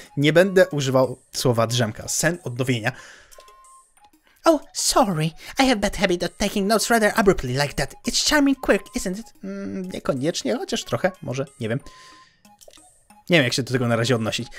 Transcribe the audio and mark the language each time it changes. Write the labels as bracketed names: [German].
[Polish] Nie będę używał słowa drzemka, sen odnowienia. [English] Oh, sorry. I have bad habit of taking notes rather abruptly like that. It's charming quirk, isn't it? [Polish] Niekoniecznie, chociaż trochę, może, nie wiem. Nie wiem, jak się do tego na razie odnosić.